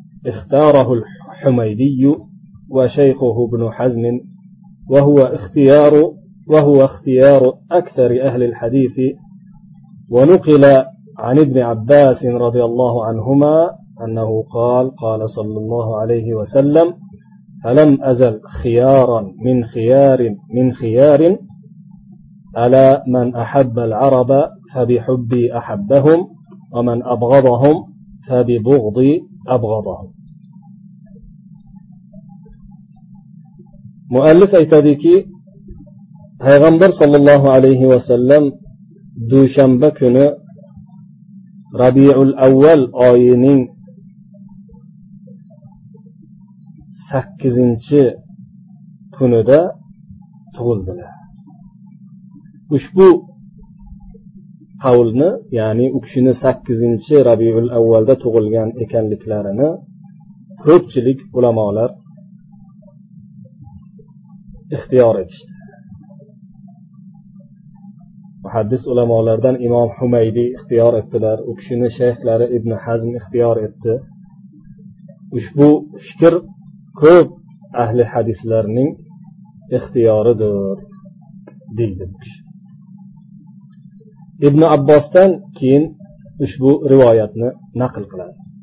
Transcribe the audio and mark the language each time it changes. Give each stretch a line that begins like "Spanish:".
Arabic: Ikhtarahu al-Humaydiyyu wa shaykhuhu ibn Hazm وهو اختيار أكثر أهل الحديث، ونقل عن ابن عباس رضي الله عنهما أنه قال صلى الله عليه وسلم: فلم أزل خيارا من خيار ألا من أحب العرب فبحبي أحبهم، ومن أبغضهم فببغضي أبغضهم."
Uzbek: مؤلف أيتاديكي payg'ambar sollallohu alayhi vasallam dushanba kuni Rabiul Avval oyining 8-chi kunida tug'ildilar. Ushbu qavlni, ya'ni u kishining 8-chi Rabiul Avvalda tug'ilgan ekanliklarini ko'pchilik ulamolar ixtiyor etishdi. Muhaddis ulamolardan Imom Humaydiy ixtiyor etdilar. U kishini shayxlari Ibn Hazm ixtiyor etdi. Ushbu fikr ko'p ahli hadislarning ixtiyoridir, deydi. Ibn Abbosdan keyin ushbu rivoyatni naql qiladi.